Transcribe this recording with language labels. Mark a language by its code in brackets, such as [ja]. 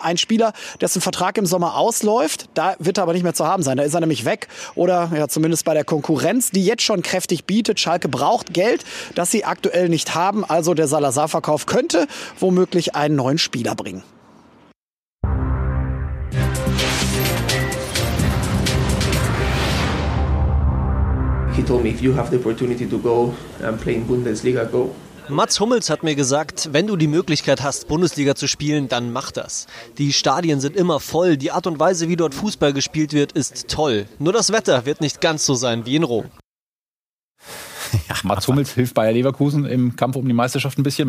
[de] Ein Spieler, dessen Vertrag im Sommer ausläuft, da wird er aber nicht mehr zu haben sein. Da ist er nämlich weg oder ja, zumindest bei der Konkurrenz, die jetzt schon kräftig bietet. Schalke braucht Geld, das sie aktuell nicht haben. Also der Salazar-Verkauf könnte womöglich einen neuen Spieler bringen. [en] He told me, if you have the opportunity to go and play in Bundesliga, go. [de] Mats Hummels hat mir gesagt, wenn du die Möglichkeit hast, Bundesliga zu spielen, dann mach das. Die Stadien sind immer voll, die Art und Weise, wie dort Fußball gespielt wird, ist toll. Nur das Wetter wird nicht ganz so sein wie in Rom. Ja, Mats Hummels hilft Bayer Leverkusen im Kampf um die Meisterschaft ein bisschen.